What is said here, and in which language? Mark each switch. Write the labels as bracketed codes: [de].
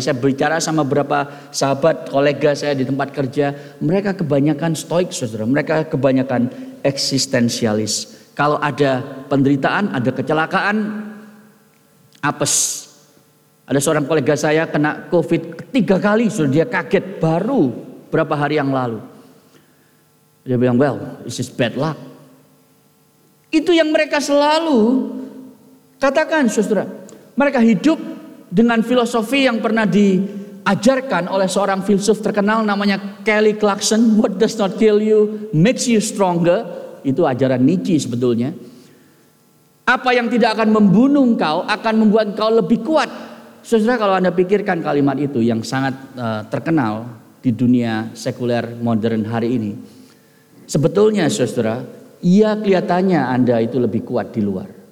[id] Saya bicara sama beberapa sahabat, kolega saya di tempat kerja, mereka kebanyakan stoik, saudara. Mereka kebanyakan eksistensialis. Kalau ada penderitaan, ada kecelakaan, apes. Ada seorang kolega saya kena COVID 3 kali, sudah dia kaget baru berapa hari yang lalu. Dia bilang, [en] well, this is bad luck. [id] Itu yang mereka selalu katakan, saudara. Mereka hidup dengan filosofi yang pernah diajarkan oleh seorang filsuf terkenal namanya Kelly Clarkson. [en] What does not kill you makes you stronger. [id] Itu ajaran Nietzsche sebetulnya. Apa yang tidak akan membunuh engkau akan membuat engkau lebih kuat. Saudara, kalau Anda pikirkan kalimat itu yang sangat terkenal di dunia sekuler modern hari ini. Sebetulnya, saudara, ia kelihatannya Anda itu lebih kuat di luar.